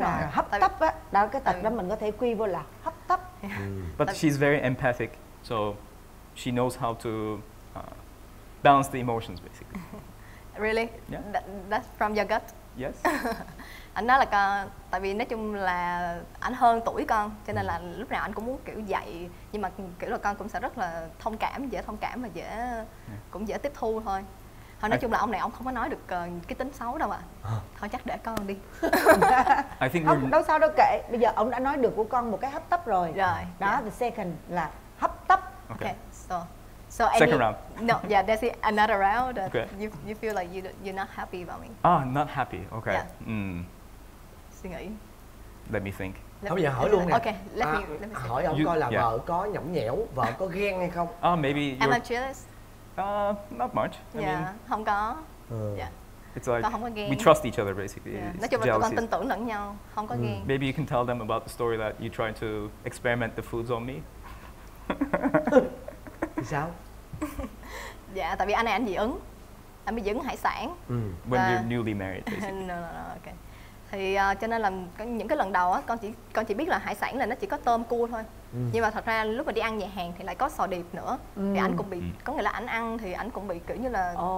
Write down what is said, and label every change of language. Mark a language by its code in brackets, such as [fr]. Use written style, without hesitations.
[vi] Hấp tấp á, đó cái tật đó mình có thể quy vô là hấp tấp. [en] But she's very empathic, so she knows how to balance the emotions basically. Really? Yeah. That's from your gut? Yes. [vi] Anh nói là tại vì nói chung là anh hơn tuổi con, cho nên là lúc nào anh cũng muốn kiểu dạy, nhưng mà kiểu là con cũng sẽ rất là thông cảm, dễ thông cảm và dễ cũng dễ tiếp thu thôi. Thôi nói chung là ông này ông không có nói được cái tính xấu đâu ạ. Thôi chắc để con đi. [en] I think [vi] không, đâu sao đâu kệ. Bây giờ ông đã nói được của con một cái hấp tấp rồi. Rồi. Đó, [en] the second [vi] là hấp tấp. [en] Okay. So second round. No, yeah, there's another round. You feel like you're not happy about me. Oh, not happy. Okay. [vi] Yeah. Suy nghĩ. [en] Let me think. [vi] Thôi bây giờ hỏi luôn nè. [en] Okay, let me see. [vi] Hỏi ông coi là vợ có nhõng nhẽo, vợ có ghen hay không? [en] Oh, maybe you're... Am I jealous? Not much. [vi] Yeah, không có. [en] It's like we trust each other basically. Yeah. [vi] Nói chung là tụi con tin tưởng lẫn nhau, không có ghen. [en] Maybe you can tell them about the story that you tried to experiment the foods on me. [vi] Sao? Dạ, tại vì anh này anh dị ứng. làm bưu dẫn hải sản. [en] When you're newly married, basically. No, okay. [vi] Thì cho nên là những cái lần đầu á, con chỉ biết là hải sản là nó chỉ có tôm cua thôi. Nhưng mà thật ra lúc mà đi ăn nhà hàng thì lại có sò điệp nữa. Thì anh cũng bị có nghĩa là anh ăn thì anh cũng bị kiểu như là